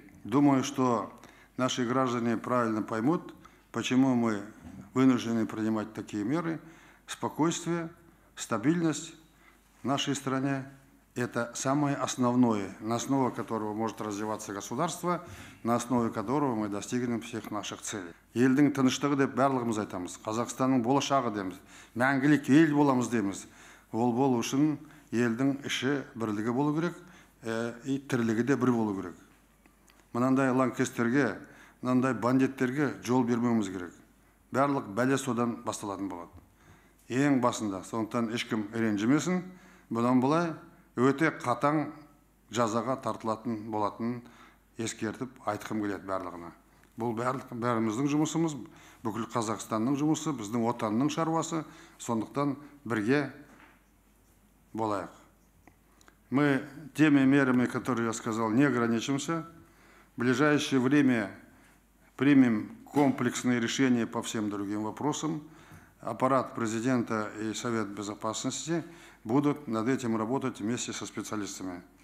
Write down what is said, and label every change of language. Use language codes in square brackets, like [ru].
[ru] Думаю, что наши граждане правильно поймут, почему мы вынуждены принимать такие меры. Спокойствие, стабильность в нашей стране – это самое основное, на основе которого может развиваться государство, на основе которого мы достигнем всех наших целей. [kk] Елдің тыныштығы деп барлығымыз айтамыз, Қазақстанның болашағы дейміз, мәңгілік ел боламыз дейміз. Ол болу үшін елдің іші бірлігі болу керек, и тірлігі де бір болу керек. Мынандай ланкестерге, мынандай бандиттерге жол бермеуіміз керек. Барлық бәле содан басталатын болады. Ең басында, сондықтан ешкім ренжімесін, бұдан былай өте қатаң жазаға тартылатын болатын ескертіп айтқым келеді барлығына. Бұл бәріміздің жұмысымыз, бүкіл Қазақстанның жұмысы, біздің отанның шаруасы, сондықтан бірге болайық. [ru] Мы теми мерами, которые я сказал, не ограничимся. В ближайшее время примем комплексные решения по всем другим вопросам. Аппарат президента и Совет безопасности будут над этим работать вместе со специалистами.